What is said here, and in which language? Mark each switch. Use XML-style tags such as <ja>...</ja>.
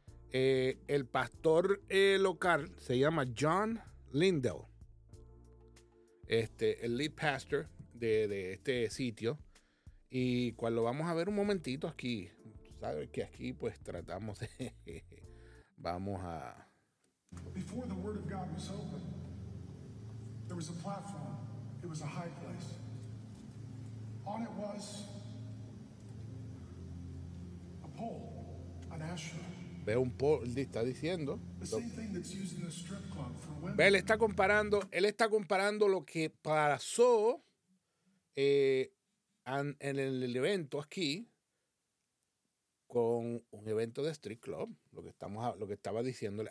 <es>El pastor local se llama John Lindell, el lead pastor de este sitio. Y cuando vamos a ver un momentito aquí, sabes que aquí pues tratamos de... vamos a...</es> <en>Before the word of God was open, there was a platform. It was a high place. On it was a pole, an asherah.</en> <es>Ve un pole, está diciendo.</es> <en>The same thing that's used in the strip club for women.</en> <es>Ve, él está comparando lo que pasó en el evento aquí con un evento de strip club, lo que estaba diciéndole.</es>